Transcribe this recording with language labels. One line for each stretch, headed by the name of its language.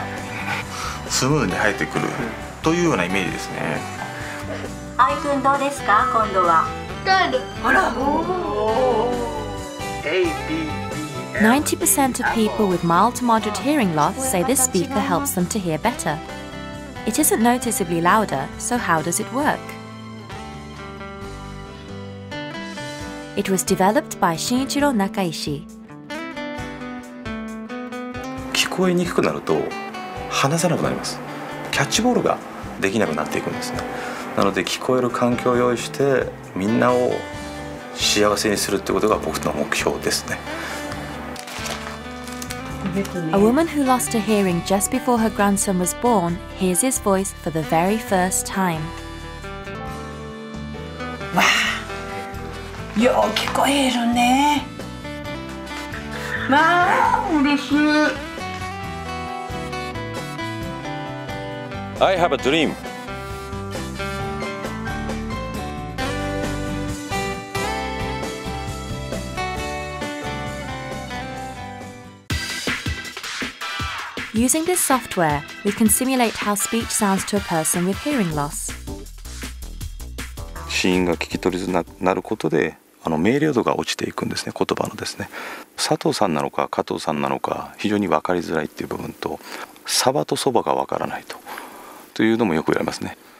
Japanese: 4-5年ぶりに聞く嫁の声は。スムーズに入ってくるというようなイメージですね。
English: 90% of people with mild to moderate hearing loss say this speaker helps them to hear better. It isn't noticeably louder, so how does it work? It was developed by Shinichiro Nakaishi.
Japanese: 聞こえにくくなると話せなくなります。キャッチボールができなくなっていくんですね。
English: A woman who lost her hearing just before her grandson was born hears his voice for the very first time. I have a dream. Using this software, we can simulate how speech sounds to a person with hearing loss.
Japanese: 子音が聞き取りづらくなることで、明瞭度が落ちていくんですね、言葉のですね。佐藤さんなのか加藤さんなのか非常に分かりづらいっていう部分と、サバとそばが分からないというのもよく言われますね。